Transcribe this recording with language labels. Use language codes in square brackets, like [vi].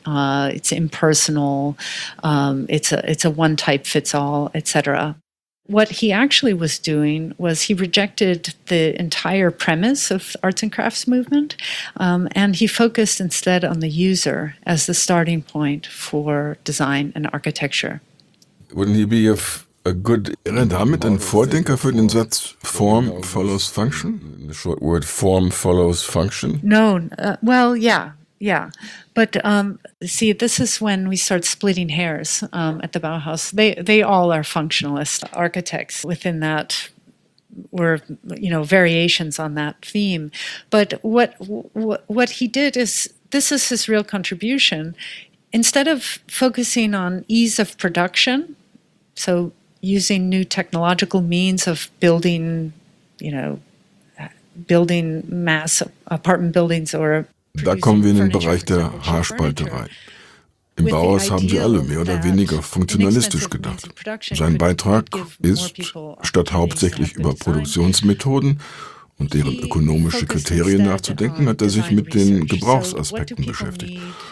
[en] It's impersonal. It's a one type fits all, etc. What he actually was doing was he rejected the entire premise of the arts and crafts movement, and he focused instead on the user as the starting point for design and architecture. Wouldn't he be a good, [de] wäre damit ein Vordenker für den Satz Form follows function? [en] In the short word, form follows function? No, well, yeah. Yeah, but see, this is when we start splitting hairs at the Bauhaus. They all are functionalist architects within that, were, you know, variations on that theme. But what he did is, this is his real contribution. Instead of focusing on ease of production, so using new technological means of building, you know, building mass apartment buildings or... [de] Da kommen wir in den Bereich der Haarspalterei. Im Bauhaus haben sie alle mehr oder weniger funktionalistisch gedacht. Sein Beitrag ist, statt hauptsächlich über Produktionsmethoden und deren ökonomische Kriterien nachzudenken, hat er sich mit den Gebrauchsaspekten beschäftigt.